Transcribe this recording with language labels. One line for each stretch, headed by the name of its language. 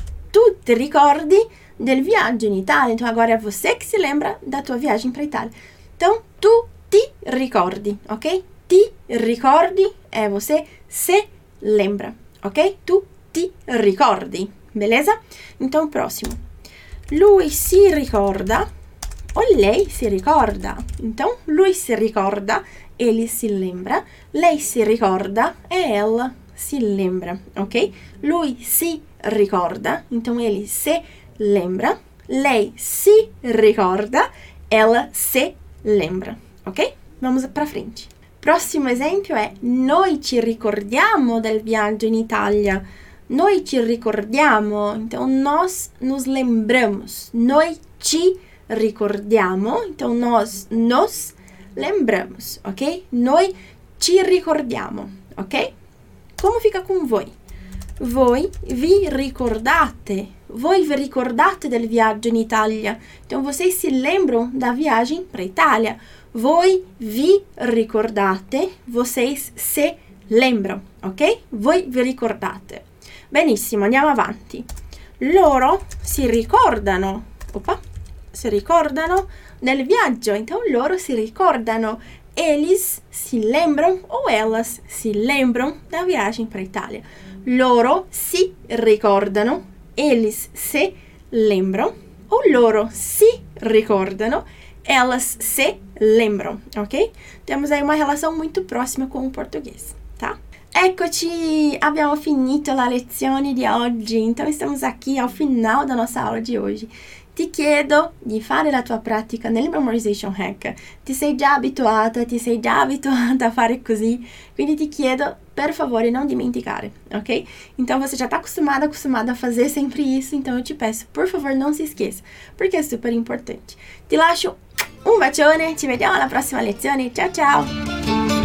Italian: Tu ti ricordi del viaggio in Italia.
Portuguese: Então, agora é você que se lembra da tua viagem para Itália. Então,
Italian: tu ti ricordi,
Portuguese: ok?
Italian: Ti ricordi
Portuguese: é você se lembra, ok?
Italian: Tu ti ricordi,
Portuguese: beleza? Então, próximo.
Italian: Lui si ricorda o lei si ricorda?
Portuguese: Então,
Italian: lui si ricorda,
Portuguese: ele si lembra,
Italian: lei si ricorda
Portuguese: e ela si lembra, ok?
Italian: Lui si ricorda,
Portuguese: então ele se lembra,
Italian: lei si ricorda,
Portuguese: ela se lembra, ok? Vamos para frente. Próximo exemplo é:
Italian: noi ci ricordiamo del viaggio in Italia. Noi ci ricordiamo,
Portuguese: então nós nos lembramos.
Italian: Noi ci ricordiamo,
Portuguese: então nós nos lembramos, ok?
Italian: Noi ci ricordiamo,
Portuguese: ok? Como fica com voi?
Italian: Voi vi ricordate? Voi vi ricordate del viaggio in Italia?
Portuguese: Então vocês se lembram da viagem para Itália?
Italian: Voi vi ricordate?
Portuguese: Vocês se lembram, ok?
Italian: Voi vi ricordate. Benissimo, andiamo avanti. Loro si ricordano, opa, si ricordano del viaggio. Então, loro si ricordano.
Portuguese: Elis si lembram ou elas si lembram da viagem para Itália.
Italian: Loro si ricordano.
Portuguese: Elis se lembram. Ou
Italian: loro si ricordano.
Portuguese: Elas se lembram, ok? Temos aí uma relação muito próxima com o português, tá?
Italian: Eccoci, abbiamo finito la lezione di oggi,
Portuguese: então estamos aqui ao final da nossa aula di oggi.
Italian: Ti chiedo di fare la tua pratica nel memorization hack. Ti sei già abituata a fare così, quindi ti chiedo, per favore, non dimenticare, ok?
Portuguese: Então você já está acostumada a fazer sempre isso, então eu te peço, por favor, non si esqueça,
Italian: perché è super importante. Ti lascio un bacione, ci vediamo alla prossima lezione, ciao ciao!